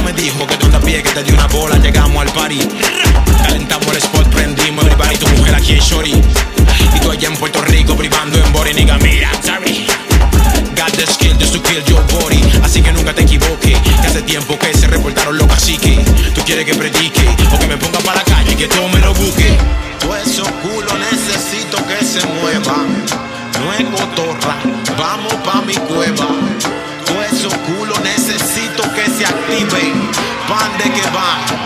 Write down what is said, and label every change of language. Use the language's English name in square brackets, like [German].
[Spanish] Me dijo que tú andas pie, que te dio una bola. Llegamos al party, calentamos el spot, prendimos el bar. Y tu mujer aquí en shorty, y tú allá en Puerto Rico privando en body. [English] Nigga, mira, sorry. Got the skill just to kill your body. [Spanish] Así que nunca te equivoques, que hace tiempo que se reportaron los caciques. Tú quieres que predique o que me ponga para la calle y que todo me lo busque. Todo eso culo necesito que se mueva. No es cotorra, vamos pa' mi cueva. Todo eso culo necesito que se activen. ¿Pan de qué van?